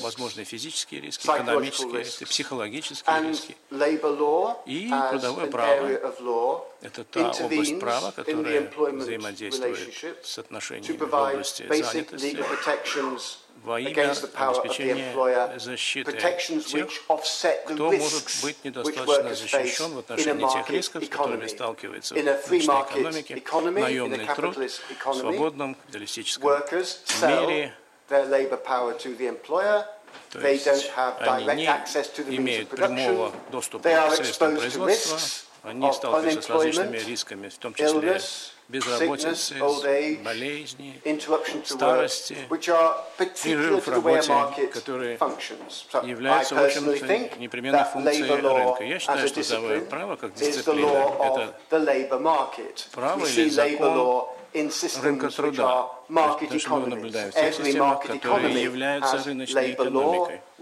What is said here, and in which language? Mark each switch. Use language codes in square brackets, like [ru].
[ru] возможные физические риски, экономические риски, психологические риски. [en] And labor law as an area of law intervenes in the employment relationship to provide basic legal protections against the power of the employer, protections which offset the risks which workers face in a market economy, in a free market economy, in a capitalist economy. Workers sell their labor power to the employer. They don't have direct access to the means of production. They are exposed to risks. [ru] Они сталкиваются с различными рисками, в том числе безработицы, болезни, старости, перерыв в работе, которые являются очень непременной функцией рынка. Я считаю, что трудовое право как дисциплина – это право или закон рынка труда, потому что мы наблюдаем в тех системах, которые являются рыночной экономикой.